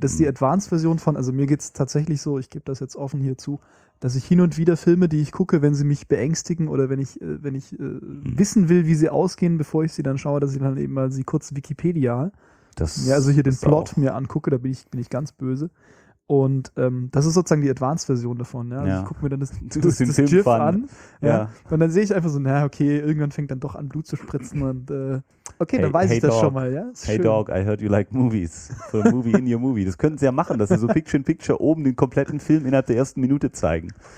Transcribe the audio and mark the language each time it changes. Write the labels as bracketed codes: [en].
[de] Das ist die Advanced-Version von, also mir geht es tatsächlich so, ich gebe das jetzt offen hier zu, dass ich hin und wieder Filme, die ich gucke, wenn sie mich beängstigen oder wenn ich wissen will, wie sie ausgehen, bevor ich sie dann schaue, dass ich dann eben mal sie kurz Wikipedia, das ja, also hier den Plot auch. Mir angucke, da bin ich ganz böse. Und das ist sozusagen die Advanced-Version davon. Ja? Also ja. Ich gucke mir dann das GIF an. Ja. Und dann sehe ich einfach so, na okay, irgendwann fängt dann doch an, Blut zu spritzen. Und okay, hey, dann weiß hey ich das [en] dog. [de] Schon mal. Ja? Hey schön. [en] Dog, I heard you like movies. Put a movie in your movie. [de] Das könnten sie ja machen, dass sie so Picture-in-Picture oben den kompletten Film innerhalb der ersten Minute zeigen.